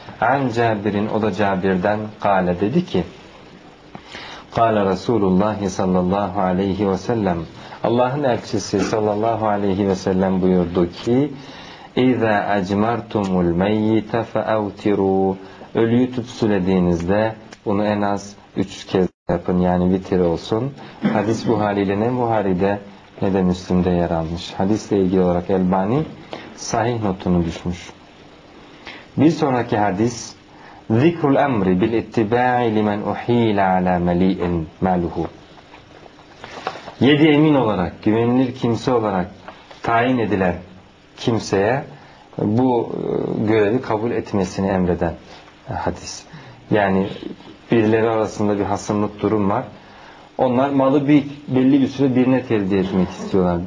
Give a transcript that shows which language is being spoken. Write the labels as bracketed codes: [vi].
[tr] an Cabir'in, o da Cabir'den kâle dedi ki kâle Resulullah sallallahu aleyhi ve sellem, Allah'ın elçisi sallallahu aleyhi ve sellem buyurdu ki [ar] اِذَا اَجْمَرْتُمُ الْمَيِّتَ فَاَوْتِرُوا, [tr] ölüyü tütsülediğinizde bunu en az 3 kez yapın, yani vitir olsun. Hadis Buhari ile ne Buhari'de ne de Müslim'de yer almış. Hadisle ilgili olarak Elbani sahih notunu düşmüş. Bir sonraki hadis [ar] ذِكْرُ الْاَمْرِ بِالْاِتِّبَاعِ لِمَنْ اُح۪يلَ عَلَى مَل۪يءٍ مَلْهُ. [tr] Yedi emin olarak, güvenilir kimse olarak tayin edilen kimseye bu görevi kabul etmesini emreden hadis. Yani birileri arasında bir hasımlık durum var. Onlar malı bir belli bir süre birine tevdi etmek istiyorlar.